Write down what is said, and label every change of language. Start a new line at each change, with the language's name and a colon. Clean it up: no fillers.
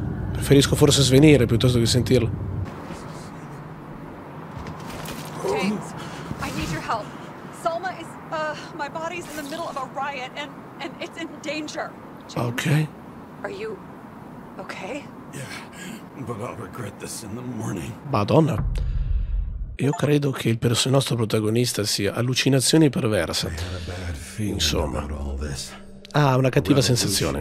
Italian: Preferisco forse svenire piuttosto che sentirlo.
English: James, I need your help. Salma is my body's in the middle of a riot and it's in danger. James, okay. Are you okay? Yeah, but I'll regret this in the morning.
Italian: Madonna. Io credo che il nostro protagonista sia allucinazioni perverse. Insomma. Ah, una cattiva sensazione,